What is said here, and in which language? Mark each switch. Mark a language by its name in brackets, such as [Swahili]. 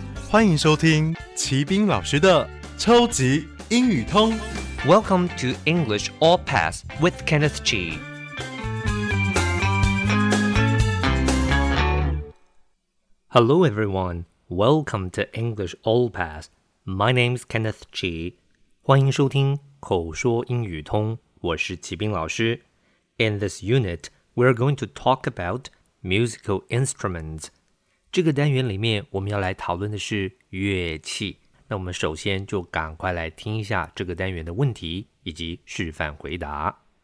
[Chinese] 欢迎收听齐宾老师的超级英语通。 [English] Welcome to English All Pass with Kenneth G. Hello everyone, welcome to English All Pass. My name is Kenneth Chi. [Chinese] 欢迎收听口说英语通，我是齐宾老师。 [English] In this unit, we are going to talk about musical instruments. [Chinese] 这个单元里面我们要来讨论的是乐器。那我们首先就赶快来听一下这个单元的问题以及示范回答。